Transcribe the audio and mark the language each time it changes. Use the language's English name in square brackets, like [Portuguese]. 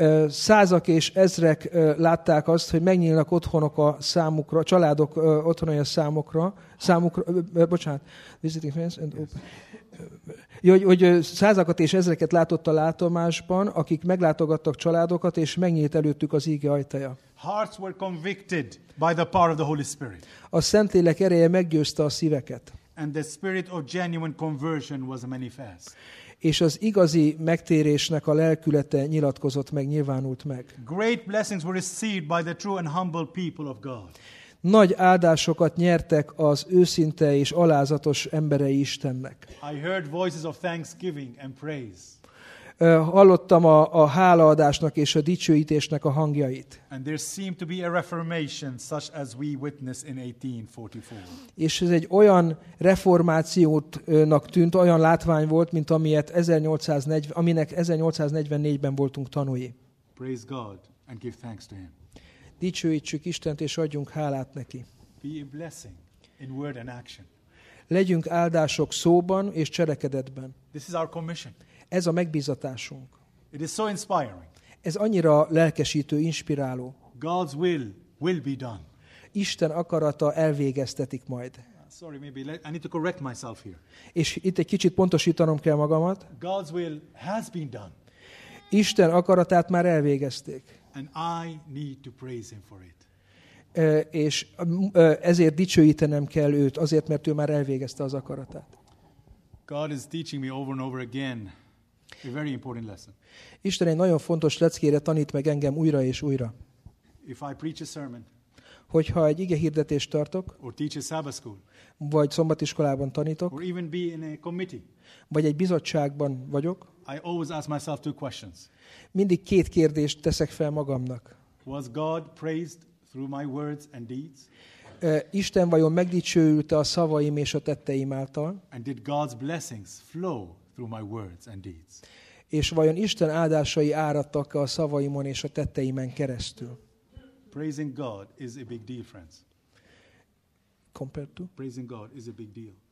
[Hungarian] Százak és ezrek látták azt, hogy megnyílnak otthonok a számukra, családok otthonai a számukra, bocsánat, [English] visiting friends and open. [Hungarian] Hogy százakat és ezreket látott a látomásban, akik meglátogattak családokat, és megnyílt előttük az íge ajtaja. [English] Hearts were convicted by the power of the Holy Spirit. [Hungarian] A Szentlélek ereje meggyőzte a szíveket. [English] And the spirit of genuine conversion was manifest. [Hungarian] És az igazi megtérésnek a lelkülete nyilatkozott meg, nyilvánult meg. [English] Great blessings were received by the true and humble people of God. [Hungarian] Nagy áldásokat nyertek az őszinte és alázatos emberei Istennek. [English] I heard voices of thanksgiving and praise. [Hungarian] Hallottam a hálaadásnak és a dicsőítésnek a hangjait. [English] And there seemed to be a reformation such as we witness in 1844. [Hungarian] És ez egy olyan reformációnak tűnt, olyan látvány volt, mint amilyet 1840, aminek 1844-ben voltunk tanúi. [English] Praise God and give thanks to him. [Hungarian] Dicsőítsük Istent és adjunk hálát neki. [English] Be a blessing in word and action. [Hungarian] Legyünk áldások szóban és cselekedetben. [English] This is our commission. [Hungarian] Ez a megbízatásunk. [English] It is so inspiring. [Hungarian] Ez annyira lelkesítő, inspiráló. [English] God's will be done. [Hungarian] Isten akarata elvégeztetik majd. [English] Sorry, maybe I need to correct myself here. [Hungarian] És itt egy kicsit pontosítanom kell magamat. [English] God's will has been done. [Hungarian] Isten akaratát már elvégezték. [English] And I need to praise him for it. [Hungarian] És ezért dicsőítenem kell őt, azért, mert ő már elvégezte az akaratát. [English] God is teaching me over and over again. A very important lesson. [Hungarian] Isten egy nagyon fontos leckére tanít meg engem újra és újra. [English] If I preach a sermon, [Hungarian] hogyha egy ige hirdetést tartok, [English] or teach a Sabbath school, [Hungarian] vagy szombatiskolában tanítok, [English] or even be in a committee, [Hungarian] vagy egy bizottságban vagyok, [English] I always ask myself two questions. [Hungarian] Mindig két kérdést teszek fel magamnak. [English] Was God praised through my words and deeds? [Hungarian] Isten vajon megdicsőült-e a szavaim és a tetteim által? [English] And did God's blessings flow through my words and deeds? [Hungarian] És vajon Isten áldásai áradtak a szavaimon és a tetteimen keresztül? [English] Praising God is a big deal, friends. Compared to? Praising God is a big deal.